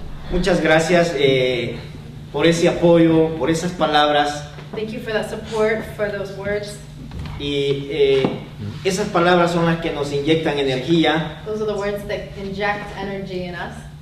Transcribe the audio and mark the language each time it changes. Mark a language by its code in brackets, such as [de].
[es] Muchas gracias por ese apoyo, por esas palabras. [en] Thank you for that support, for those words. [es] Y esas palabras son las que nos inyectan energía. [en] Those are the words that inject energy in us.